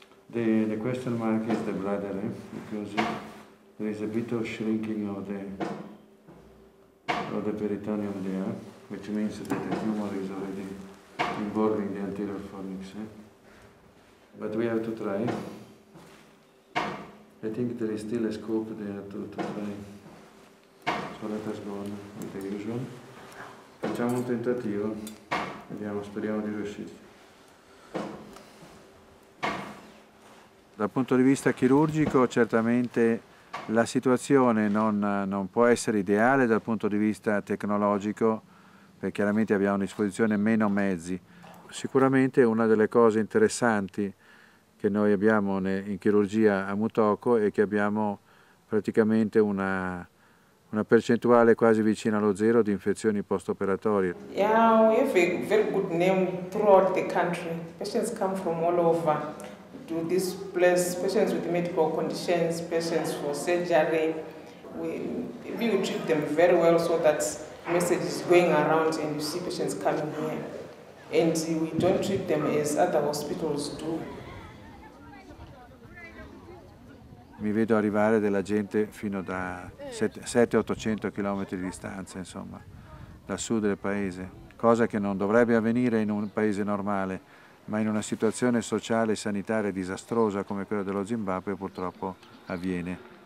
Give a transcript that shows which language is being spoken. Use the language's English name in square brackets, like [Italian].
[English] The question mark is the bladder, eh? Because there is a bit of shrinking of the peritoneum there, which means that the tumor is already involving the anterior fornix. Eh? But we have to try. I think there is still a scope there to try. So let us go on with the usual. [Italian] Facciamo un tentativo, vediamo, speriamo di riuscire. Dal punto di vista chirurgico, certamente la situazione non può essere ideale dal punto di vista tecnologico, perché chiaramente abbiamo a disposizione meno mezzi. Sicuramente una delle cose interessanti che noi abbiamo in chirurgia a Mutoko è che abbiamo praticamente una percentuale quasi vicina allo zero di infezioni post-operatorie. [English] Yeah, we have a very good name throughout the country. Patients come from all over to this place, patients with medical conditions, patients for surgery. We treat them very well, so that message is going around and you see patients coming here. And we don't treat them as other hospitals do. [Italian] Mi vedo arrivare della gente fino da 700-800 km di distanza, insomma, dal sud del paese, cosa che non dovrebbe avvenire in un paese normale, ma in una situazione sociale e sanitaria disastrosa come quella dello Zimbabwe purtroppo avviene.